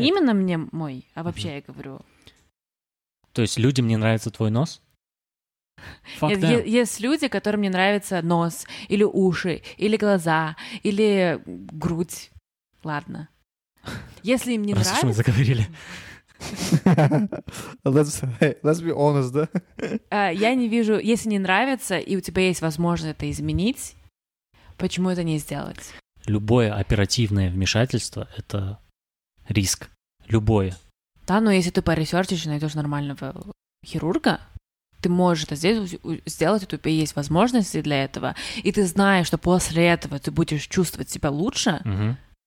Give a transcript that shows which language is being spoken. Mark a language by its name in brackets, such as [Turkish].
[Russian] Не именно мне мой, а вообще я говорю. То есть людям не нравится твой нос? Есть люди, которым не нравится нос, или уши, или глаза, или грудь. Ладно. Если им не раз нравится... Раз уж мы заговорили. [English] Let's be honest, [Russian] да? Я не вижу... Если не нравится, и у тебя есть возможность это изменить, почему это не сделать? Любое оперативное вмешательство — это риск. Любое. Да, но если ты поресерчишь и найдешь нормального хирурга... Ты можешь это сделать, у тебя есть возможности для этого, и ты знаешь, что после этого ты будешь чувствовать себя лучше,